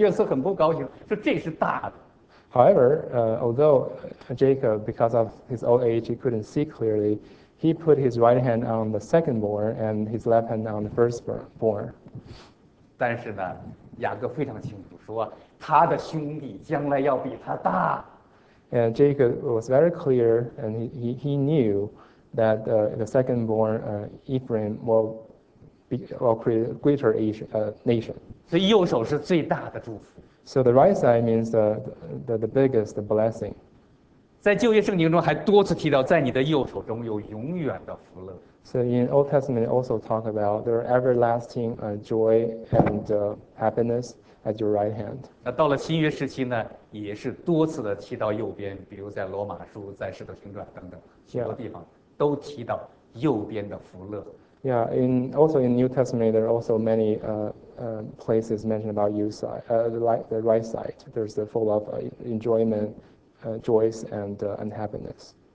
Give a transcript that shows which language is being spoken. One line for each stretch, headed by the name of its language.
Chinese: 结果呢，雅各虽然老眼昏花，但是呢，他就把右手呢放在小儿子以法莲的头上，捡过左手放在马拿西的头上。结果约瑟很不高兴，说这是大的。
English: However, although Jacob, because of his old age, he couldn't see clearly, he put his right hand on the secondborn and his left hand on the firstborn.
Chinese: 但是呢，雅各非常清楚说，他的兄弟将来要比他大。
English: And Jacob was very clear, and he knew that the second born Ephraim will be, will create a greater nation.
Chinese: 所以右手是最大的祝福。
English: So the right side means the biggest blessing.
Chinese: 在旧约圣经中还多次提到，在你的右手中有永远的福乐。
English: So in Old Testament, it also talk about their everlasting joy and happiness at your right hand.
Chinese: 那到了新约时期呢，也是多次的提到右边，比如在罗马书、在使徒行传等等，许多地方都提到右边的福乐。
English: Yeah, in also in New Testament, there are also many places mentioned about you side, the right side. There's the full of enjoyment, joys, and happiness.